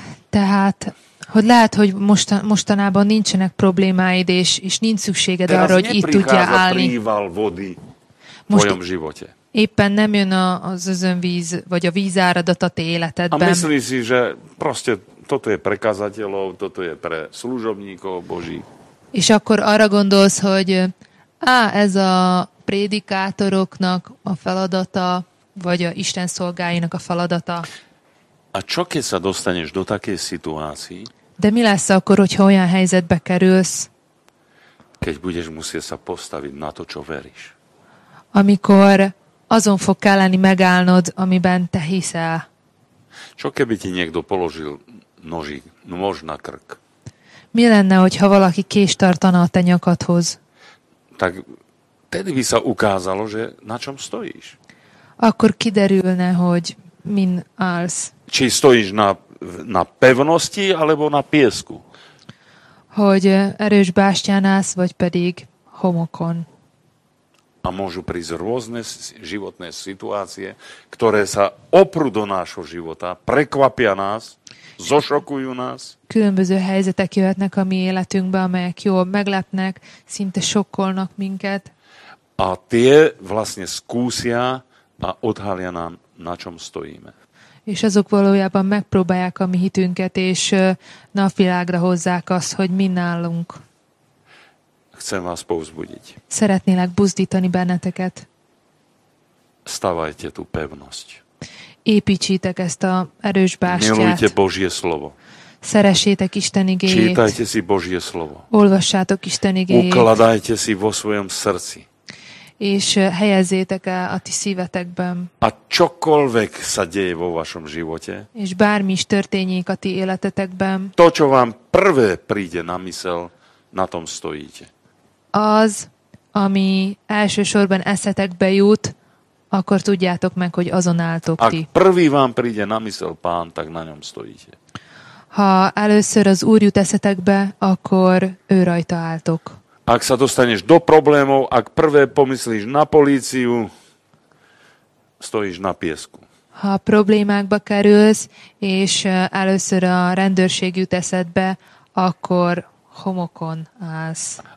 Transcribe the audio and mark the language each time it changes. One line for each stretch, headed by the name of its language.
Hungarian: Tehát, hogy lehet, hogy mostanában nincsenek problémáid, és nincs szükséged
Slovak: teraz
Hungarian: arra, hogy itt tudjál állni.
Slovak: Teraz nepricháza príval vody v mojom živote.
Hungarian: Éppen nem jön az özönvíz, vagy a vízáradat a te életedben.
Slovak: A myslíš si, že proste toto je pre kazateľov, toto je pre služobníkov Boží.
Hungarian: És akkor arra gondolsz, hogy ez a prédikátoroknak a feladata, vagy a Isten szolgáinak a feladata.
Slovak: A čo keď sa dostaneš do takej situácii?
Hungarian: De mi lesz akkor, hogyha olyan helyzetbe kerülsz?
Slovak: Keď budeš musieť sa postaviť na to, čo veríš.
Hungarian: Amikor azon fog kelleni megállnod, amiben te hiszel.
Slovak: Čo keby ti niekto položil nož na krk?
Hungarian: Mi lenne, hogyha valaki kést tartana a te nyakadhoz?
Slovak: Tak tedy by sa ukázalo, že na čom stojíš.
Hungarian: Akkor kiderülne, hogy min állsz.
Slovak: Či stojíš na pevnosti, alebo na piesku?
Hungarian: Hogy erős bástyán állsz, vagy pedig homokon.
Slovak: A môžu prísť rôzne životné situácie, ktoré sa oprú do nášho života, prekvapia nás, zošokujú nás.
Hungarian: Különböző helyzetek jöhetnek a mi életünkbe, amelyek jól meglepnek, szinte šokkolnak minket.
Slovak: A tie vlastne skúsia a odhalia nám, na čom stojíme.
Hungarian: És azok valójában megpróbálják a mi hitünket, és napvilágra hozzák azt, hogy mi nálunk.
Slovak: Chcem vás povzbudiť.
Hungarian: Szeretnélek buzdítani benneteket.
Slovak: Stavajte tú pevnosť.
Hungarian: Építsétek ezt a erős bástyát.
Slovak: Milujte Božie slovo.
Hungarian: Szeressétek Isten igéjét.
Slovak: Čítajte si Božie slovo.
Hungarian: Olvassátok Isten igéjét.
Slovak: Ukladajte si vo svojom srdci.
Hungarian: És helyezzétek el a ti szívetekben.
Slovak: A čokoľvek sa deje vo vašom živote.
Hungarian: És bármi is történik a ti életetekben.
Slovak: To, čo vám prvé príde na mysel, na tom stojíte.
Hungarian: Az, ami elsősorban eszetekbe jut, akkor tudjátok meg, hogy azon álltok ti.
Slovak: Ak prvý vám príde na mysel pán, tak na ňom stojíte.
Hungarian: Ha először az Úr jut eszetekbe, akkor ő rajta álltok.
Slovak: Ak sa dostaneš do problémov, ak prvé pomyslíš na políciu, stojíš na piesku.
Hungarian: Ha problémákba kerülsz, és először a rendőrség jut eszedbe, akkor homokon állsz.